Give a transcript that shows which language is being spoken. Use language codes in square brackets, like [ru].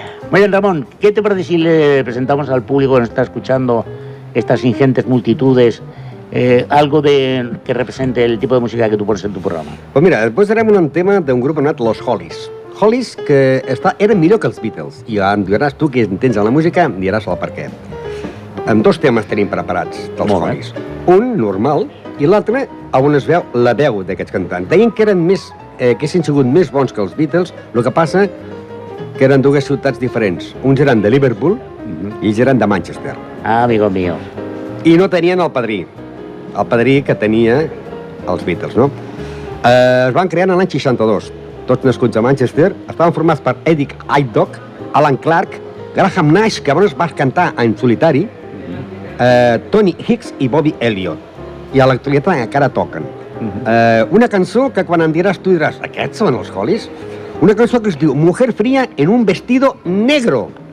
[es] Muy bien, Ramón, ¿qué te parece si le presentamos al público que nos está escuchando, estas ingentes multitudes, algo de que represente el tipo de música que tú pones en tu programa? Pues mira, después haremos un tema de un grupo anomenado Los Hollies. [ca] Hollies, que eren millor que els Beatles, i em diràs tu que entens la música, em diràs el per què. Amb dos temes tenim preparats dels Hollies. Un, normal, i l'altre, on es veu la veu d'aquests cantants. Deien que eren més, que haguessin sigut més bons que els Beatles, el que passa que eren dues ciutats diferents. Uns eren de Liverpool i ells eren de Manchester. [es] Ah, amigo mío. [ca] I no tenien el padrí. El padrí que tenia els Beatles, no? Es van crear en l'any 62. Tots nascuts a Manchester. Estaven formats per Eddie Aidock, Alan Clark, Graham Nash, que abans va cantar en solitari, Tony Hicks i Bobby Elliott, i a l'actualitat encara toquen. Una cançó que quan em diràs tu diràs, aquests són els Hollies? Una cançó que es diu Mujer fría en un vestido negro.